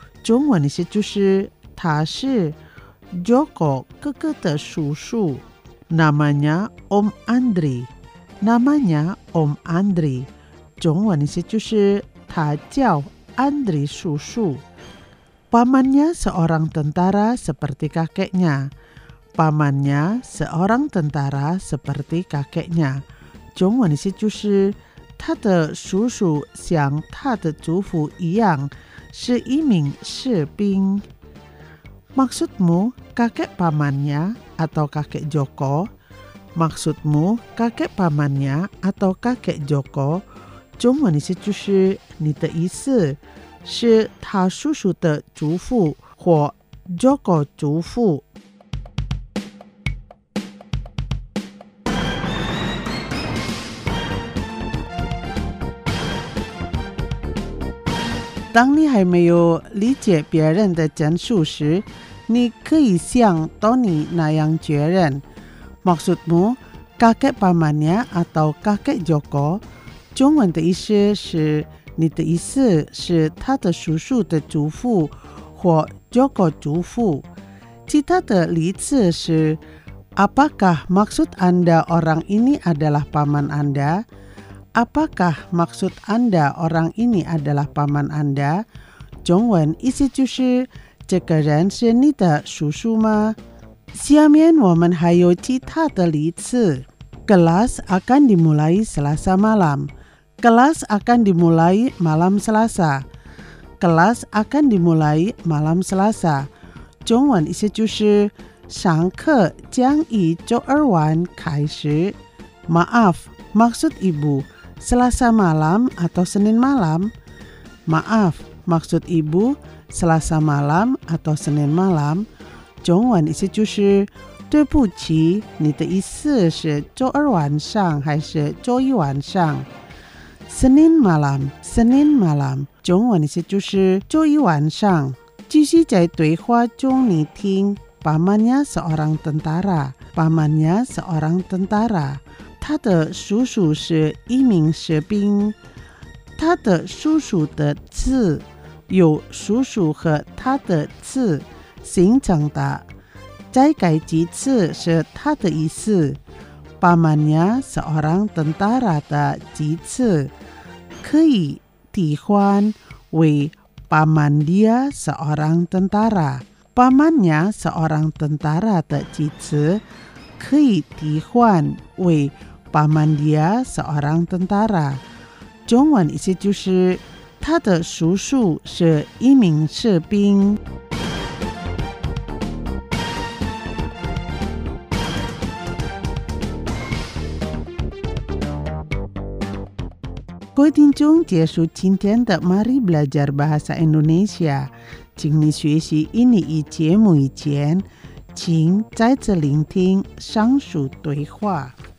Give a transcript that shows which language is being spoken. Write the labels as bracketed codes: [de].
[zh] 中文意思就是他是 Joko 哥哥的叔叔。 [id] Namanya Om Andri. Namanya Om Andri. [zh] 中文意思就是他叫 Andri 叔叔。 [id] Pamannya seorang tentara seperti kakeknya. Pamannya seorang tentara seperti kakeknya. [zh] 中文意思就是他的叔叔像他的祖父一样是一名士兵。 [id] Maksudmu kakek pamannya atau kakek Joko? Maksudmu kakek pamannya atau kakek Joko? [zh] 中文意思就是你的意思是他叔叔的祖父或 Joko 祖父。当你还没有理解别人的陈述时，你可以像 Tony 那样确认 [id] Maksudmu kakek pamannya atau kakek Joko， [zh] 中文的意思是你的意思是他的叔叔的祖父或 Joko 祖父。其他的例子是 [id] Apakah maksud anda orang ini adalah paman anda？ Apakah maksud anda orang ini adalah paman anda? [zh] 中文意思就是这个人是你的叔叔吗？下面我们还有其他的例子。 [id] Kelas akan dimulai Selasa malam. Kelas akan dimulai malam Selasa. Kelas akan dimulai malam Selasa. [zh] 中文意思就是上课将以周二晚开始。 [id] Maaf, maksud ibu,Selasa malam atau Senin malam? Maaf, maksud ibu, Selasa malam atau Senin malam? [zh] 中文意思就是对不起，你的意思是周二晚上还是周一晚上？ [id] Senin malam, Senin malam. [zh] 中文的意思就是周一晚上。继续在对话中你听。 [id] Pamannya seorang tentara. Pamannya seorang tentara. [zh] 他的叔叔是一名士兵。他的叔叔的字有叔叔和他的字形成的。再改几次是他的意思。 [id] Pamannya seorang tentara [zh] 的几次可以替换为 Pamannya seorang tentara。 [id] Pamannya seorang tentara [zh] 的几次可以替换为 Pamannya seorang tentara。中文意思就是他的叔叔是一名士兵。各位听众，结束今天的 Mari Belajar Bahasa Indonesia， 请你学习印尼语节目以前，请再次聆听上述对话。